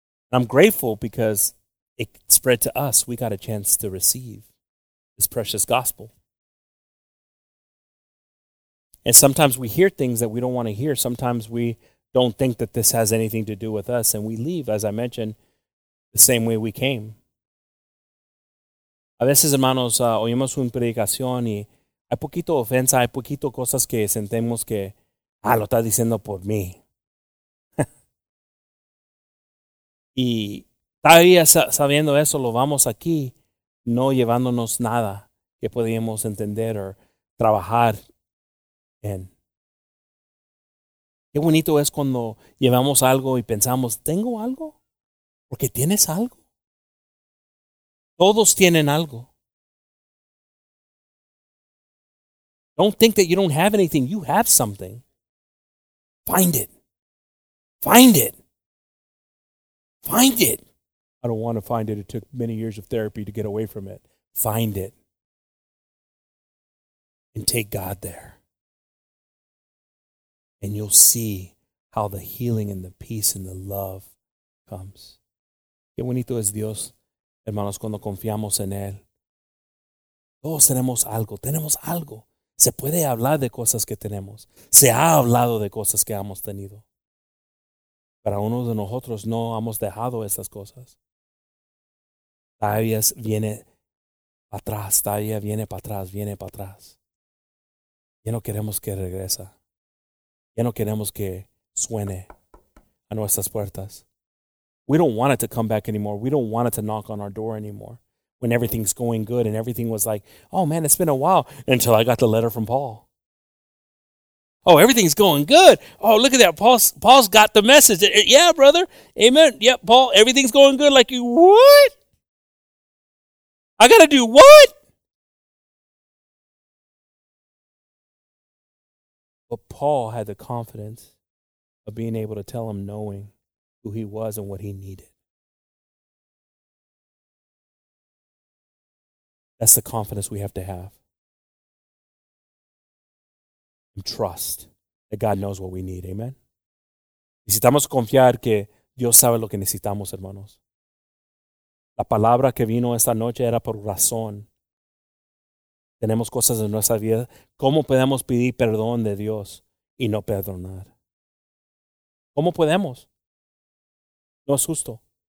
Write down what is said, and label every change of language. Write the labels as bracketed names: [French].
[English] And I'm grateful because it spread to us. We got a chance to receive this precious gospel. And sometimes we hear things that we don't want to hear. Sometimes we don't think that this has anything to do with us, and we leave, as I mentioned, the same way we came. [Spanish] A veces, hermanos, oímos una predicación y hay poquito ofensa, hay poquito cosas que sentemos que, ah, lo está diciendo por mí. Y todavía sabiendo eso, lo vamos aquí, no llevándonos nada que podíamos entender o trabajar en. Qué bonito es cuando llevamos algo y pensamos, ¿tengo algo? Porque tienes algo. Todos tienen algo. [English] Don't think that you don't have anything. You have something. Find it. Find it. Find it. I don't want to find it. It took many years of therapy to get away from it. Find it. And take God there. And you'll see how the healing and the peace and the love comes. [Spanish] Qué bonito es Dios, hermanos, cuando confiamos en Él. Todos tenemos algo. Tenemos algo. Se puede hablar de cosas que tenemos. Se ha hablado de cosas que hemos tenido. Para uno de nosotros no hemos dejado esas cosas. Todavía viene para atrás. Todavía viene para atrás. Viene para atrás. Ya no queremos que regresa. Ya no queremos que suene a nuestras puertas. [English] We don't want it to come back anymore. We don't want it to knock on our door anymore. When everything's going good and everything was like, oh man, it's been a while until I got the letter from Paul. Oh, everything's going good. Oh, look at that. Paul's got the message. Yeah, brother. Amen. Yeah, Paul, everything's going good. Like, what? I got to do what? But Paul had the confidence of being able to tell him, knowing who he was and what he needed. That's the confidence we have to have. And trust that God knows what we need. Amen? [Spanish] Necesitamos confiar que Dios sabe lo que necesitamos, hermanos. La palabra que vino esta noche era por razón. Tenemos cosas en nuestra vida. ¿Cómo podemos pedir perdón de Dios y no perdonar? ¿Cómo podemos? No es justo.